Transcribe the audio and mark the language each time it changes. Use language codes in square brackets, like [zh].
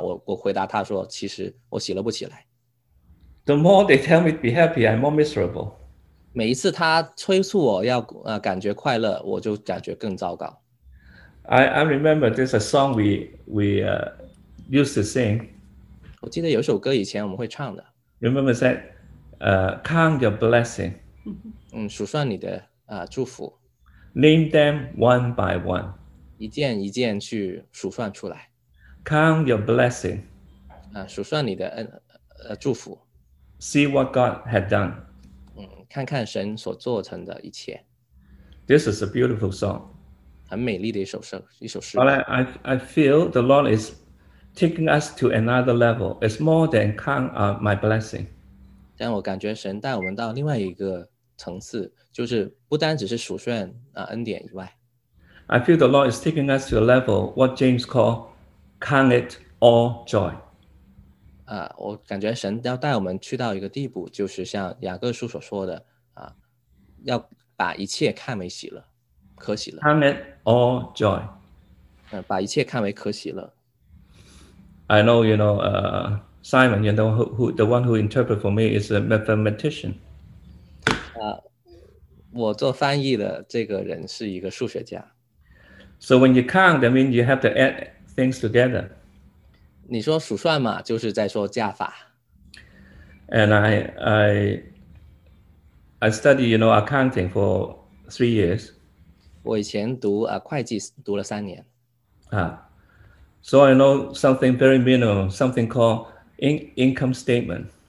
[zh] 我回答他说，其实我喜乐不起来。 [en] The more they tell me to be happy, I'm more miserable. [zh] 每一次他催促我要感觉快乐，我就感觉更糟糕。 [en] I remember there's a song we used to sing. [zh] 我记得有首歌以前我们会唱的。 [en] Remember that, count your blessing. [zh] 数算你的祝福。 [en] Name them one by one. [zh] 一件一件去数算出来。 [en] Count your blessing. [zh] 数算你的祝福。 [en] See what God had done. [zh] 看看神所做成的一切。 [en] This is a beautiful song. [zh] 很美丽的一首诗。 [en] Well, I feel the Lord is taking us to another level. It's more than count my blessing. [zh] 但我感觉神带我们到另外一个层次，就是不单只是数算恩典以外。 [en] I feel the Lord is taking us to a level what James called count it all joy. [zh] 我感觉神要带我们去到一个地步，就是像雅各书所说的要把一切看为喜乐，可喜乐。 [en] Count it all joy. [zh] 把一切看为可喜乐。 [en] I know, you know, Simon, you know, the one who interpreted for me is a mathematician. [zh] 我做翻译的这个人是一个数学家。 [en] So when you count, that means you have to add things together. [zh] 你说数算嘛，就是在说加法。 [en] And I study, you know, accounting for 3 years. [zh] 我以前读会计读了三年。 [en] So I know something very minimal, something called income statement.